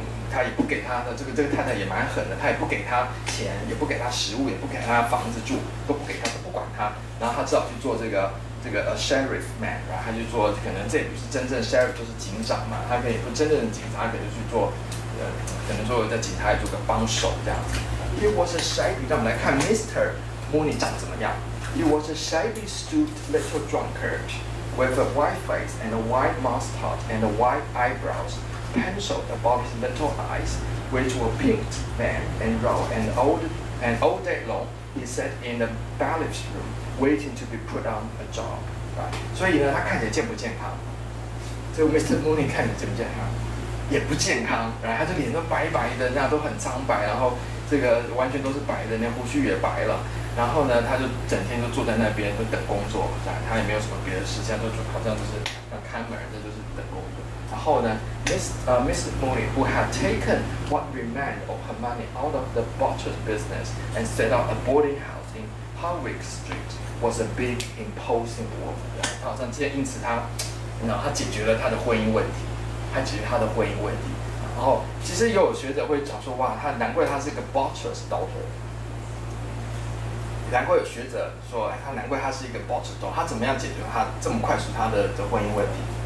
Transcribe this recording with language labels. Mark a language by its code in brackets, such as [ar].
[zh] 他也不给他的这个太太也蛮狠的，他也不给他钱，也不给他食物，也不给他房子住，都不给他，都不管他。然后他只好去做这个 [en] a sheriff man， [zh] 然后他就做，可能这也不是真正 sheriff， 就是警长嘛。他可以不真正的警察，他可以就去做，可能作为在警察做个帮手这样子。 [en] He was a shabby， [zh] 让我们来看 Mr. Mooney 长怎么样。 [en] He was a shabby, stooped little drunkard with a white face and a white mustache and a white eyebrows. Penciled above his little eyes, which were pinked then and round, and all day long, he sat in the bailiff's room, waiting to be put on a job. Right. [zh] 所以呢，他看起来健不健康？这个 Mr. Mooney 看起来健不健康？也不健康。然后他的脸都白白的，那都很苍白，然后这个完全都是白的，连胡须也白了。然后呢，他就整天就坐在那边，就等工作。他也没有什么别的事，现在就好像就是要看门，这就是等工作。然后呢 [en] ，Miss Mooney, who had taken what remained of her money out of the butcher's business and set up a boarding house in Harwick Street, was a big, imposing woman. [zh] 好像因此她，她解决了她的婚姻问题，她解决她的婚姻问题。然后其实也有学者会讲说，哇，她难怪她是一个 [en] butcher's daughter。 [zh] 难怪有学者说，她难怪她是一个 [en] butcher's daughter。 [zh] 她怎么样解决她这么快速她的婚姻问题？